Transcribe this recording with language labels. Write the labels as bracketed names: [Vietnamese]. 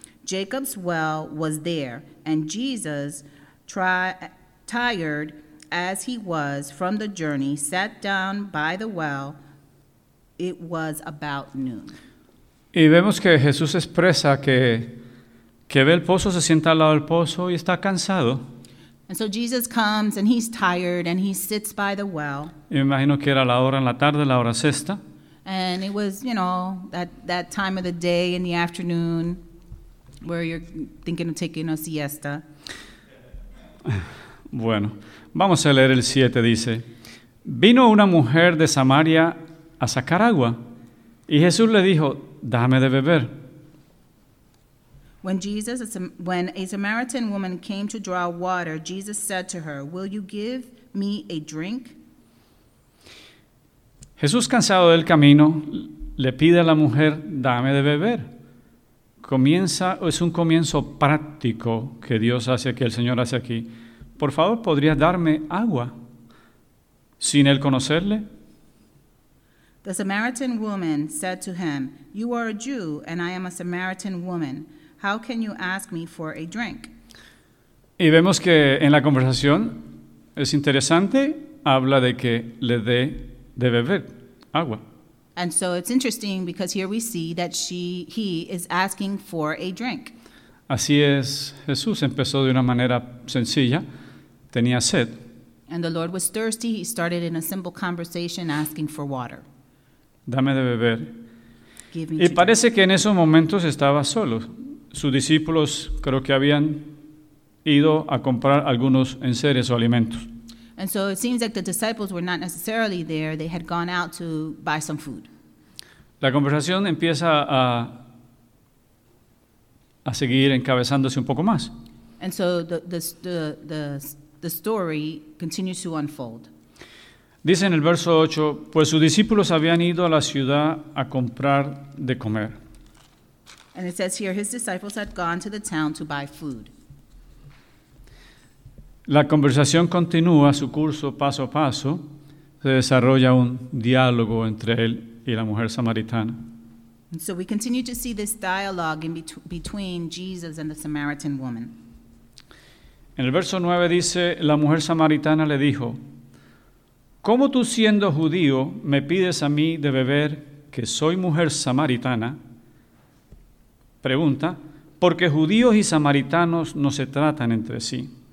[English] Jacob's well was there, and Jesus, tired as he was from the journey, sat down by the well. It was about noon. [Spanish] Y vemos que Jesús expresa que ve el pozo, se sienta al lado del pozo y está cansado. [English] And so Jesus comes and he's tired and he sits by the well. [Spanish] Me imagino que era la hora en la tarde, la hora sexta. [English] And it was, you know, that time of the day in the afternoon where you're thinking of taking a siesta. [Spanish] Bueno, vamos a leer el 7, dice. Vino una mujer de Samaria a sacar agua y Jesús le dijo, dame de beber. [English] When a Samaritan woman came to draw water, Jesus said to her, will you give me a drink? [Spanish] Jesús, cansado del camino, le pide a la mujer, dame de beber. Es un comienzo práctico que Dios hace aquí, el Señor hace aquí. Por favor, ¿podrías darme agua? Sin él conocerle. [English] The Samaritan woman said to him, you are a Jew and I am a Samaritan woman. How can you ask me for a drink? [Spanish] Y vemos que en la conversación es interesante, habla de que le dé de beber agua. [English] And so it's interesting because here we see that he is asking for a drink. [Spanish] Así es, Jesús empezó de una manera sencilla, tenía sed. [English] And the Lord was thirsty, he started in a simple conversation asking for water. [Spanish] Dame de beber. Y parece que en esos momentos estaba solo. Sus discípulos creo que habían ido a comprar algunos enseres o alimentos. [English] And so it seems like the disciples were not necessarily there. They had gone out to buy some food. [Spanish] La conversación empieza a seguir encabezándose un poco más. [English] And so the story continues to unfold. [Spanish] Dice en el verso 8, pues sus discípulos habían ido a la ciudad a comprar de comer. [English] And it says here, his disciples had gone to the town to buy food. [Spanish] La conversación continúa su curso paso a paso. Se desarrolla un diálogo entre él y la mujer samaritana. [English] And so we continue to see this dialogue in between Jesus and the Samaritan woman. [Spanish] En el verso 9 dice, la mujer samaritana le dijo, ¿cómo tú siendo judío me pides a mí de beber que soy mujer samaritana? Pregunta, porque judíos y samaritanos no se tratan entre sí.